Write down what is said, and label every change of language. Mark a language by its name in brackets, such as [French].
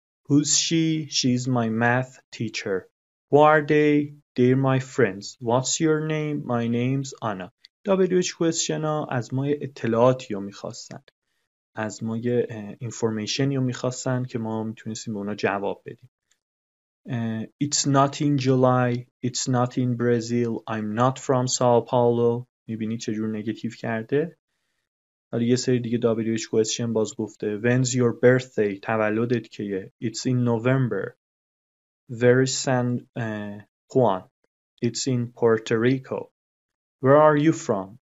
[English] Who's she? She's my math teacher. Who are they? They're my friends. What's your name? My name's Anna. [Persian] WH question ها از ما اطلاعاتی رو میخواستن، از ما یه انفورمیشنی رو میخواستن که ما میتونستیم به اونا جواب بدیم. [English] It's not in July. It's not in Brazil. I'm not from Sao Paulo. [Persian] میبینی چه جور نگاتیو کرده. حالا یه سری دیگه WH question باز گفته [English] When's your birthday؟ [Persian] تولدت کیه؟ [English] It's in November. Where is San Juan? It's in Puerto Rico. Where are you from?